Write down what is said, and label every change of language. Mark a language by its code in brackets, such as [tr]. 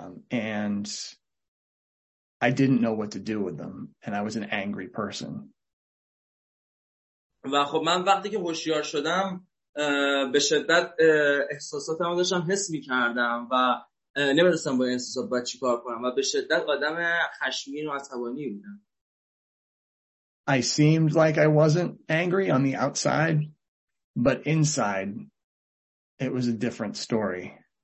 [en] And I didn't know what to do with them, and I was an angry person. [fa] و خب من وقتی که هوشیار شدم به شدت احساساتم داشتم حس می‌کردم و نمی‌دونستم با احساسات چیکار کنم و به شدت آدم خشمگین و عصبانی بودم. [en] I seemed like I wasn't angry on the outside, but inside it was a different story.